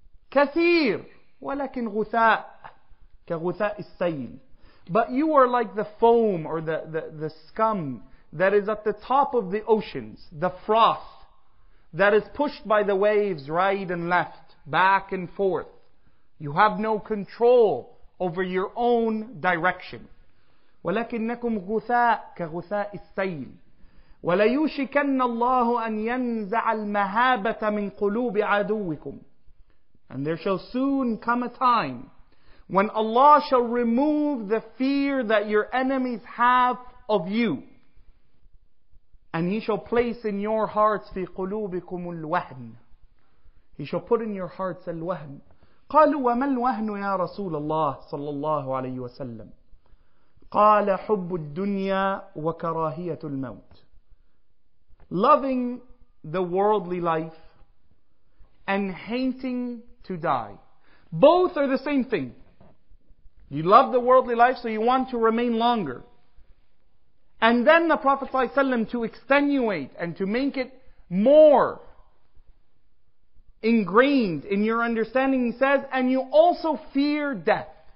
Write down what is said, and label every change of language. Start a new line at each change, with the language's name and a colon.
Arabic: كثير ولكن غثاء كغثاء السيل.
English: But you are like the foam or the scum that is at the top of the oceans, the froth that is pushed by the waves right and left, back and forth. You have no control over your own direction.
Arabic: ولكنكم غثاء كغثاء السيل. وليوشكن الله أن ينزع المهابة من قلوب عدوكم.
English: And there shall soon come a time when Allah shall remove the fear that your enemies have of you. And He shall place in your hearts
Arabic: في قلوبكم الوهن.
English: He shall put in your hearts الوهن.
Arabic: قالوا وما الوهن يا رسول الله صلى الله عليه وسلم. قال حب الدنيا وكراهية الموت.
English: Loving the worldly life and hating to die. Both are the same thing. You love the worldly life, so you want to remain longer. And then the Prophet ﷺ, to extenuate and to make it more ingrained in your understanding, he says, and you also fear death.